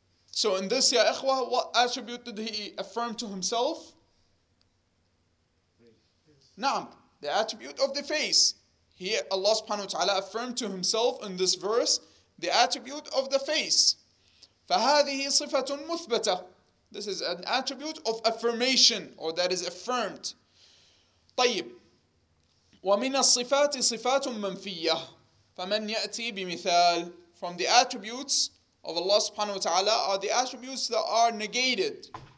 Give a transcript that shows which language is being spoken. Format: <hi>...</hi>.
<en>So in this, ya ikhwah, what attribute did he affirm to himself? Yes. Naam, the attribute of the face. Here, Allah subhanahu wa ta'ala affirmed to himself in this verse the attribute of the face.</en> <ar>فَهَذِهِ صِفَةٌ مُثْبَتَةٌ.</ar> <en>This is an attribute of affirmation, or that is affirmed.</en> <ar>طيب, ومن الصفات صفات منفية. فمن يأتي بمثال.</ar> <en>From the attributes of Allah subhanahu wa ta'ala are the attributes that are negated.</en>